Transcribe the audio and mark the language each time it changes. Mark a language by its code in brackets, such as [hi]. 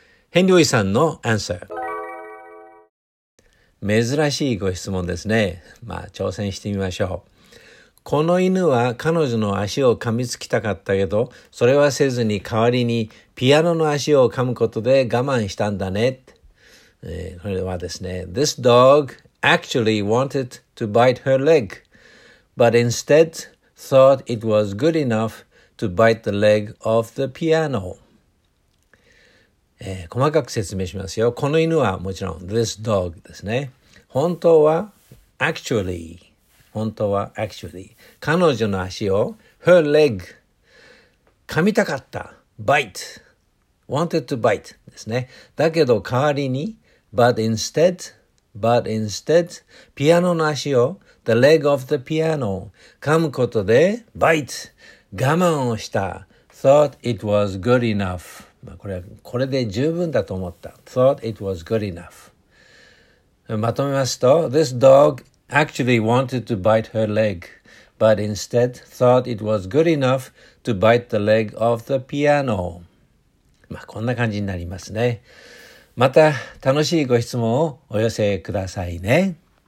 [ja] ヘンリョイさんのアンサー。珍しいご質問ですね。まあ挑戦してみましょう。この犬は彼女の足を噛みつきたかったけど、それはせずに代わりにピアノの足を噛むことで我慢したんだね。これはですね、 [en] This dog actually wanted to bite her legBut instead thought it was good enough to bite the leg of the piano. [ja] 細かく説明しますよ。この犬はもちろん [en] this dog [ja] ですね。本当は actually、本当は actually、彼女の足を [en] her leg [ja] 噛みたかった [en] bite wanted to bite [ja] ですね。だけど代わりに [en] but instead [ja] ピアノの足を [en] The leg of the piano. [ja] 噛むことで [en] bite. [ja] 我慢をした。 [en] Thought it was good enough. [ja] まあこれで十分だと思った。 [en] Thought it was good enough. [ja] まとめますと、 [en] This dog actually wanted to bite her leg, but instead thought it was good enough to bite the leg of the piano. [ja] まあこんな感じになりますね。また楽しいご質問をお寄せくださいね。